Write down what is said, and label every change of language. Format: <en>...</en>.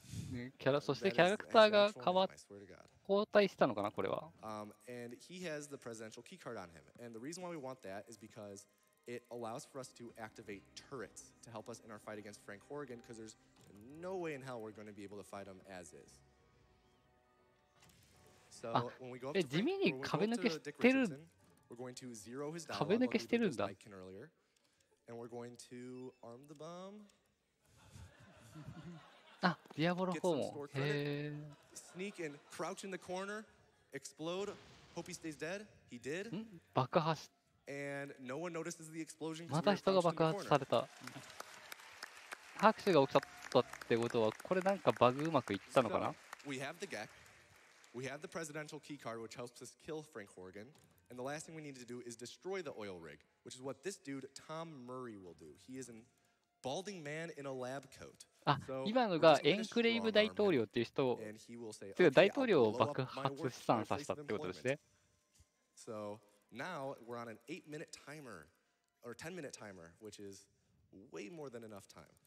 <ja>ね、そしてキャラクターが変わっ交代したのかな、これは。</ja> <en>And he has the presidential key card on him. And the reason why we want that is because it allows for us to activate turrets to help us in our fight against Frank Horrigan, because there's no way in hell we're going to be able to fight him as is. So when we go up to Dick Richardson, we're going to zero his dialogue like we did this earlier, and we're going to arm the bomb.</en> <ja>あ、ディアボロ4も。へぇ。</ja> <en>Sneak and crouch in the corner, explode, hope he stays dead, he did.</en> <ja>爆破し。</ja> <en>And no one notices the explosion.</en> <ja>また人が爆発された。拍手が起きちゃったってことは、これなんかバグうまくいったのかな</ja> <en>?We have the Gek, we have the presidential key card which helps us kill Frank Horrigan, and the last thing we need to do is destroy the oil rig, which is what this dude, Tom Murray, will do. He is an balding man in a lab coat.</en> <ja>あ、今のがエンクレイブ大統領っていう人を、というか大統領を爆発資産させたってことですね。</ja> <en>So now we're on an 8-minute timer or 10-minute timer, which is way more than enough time.</en>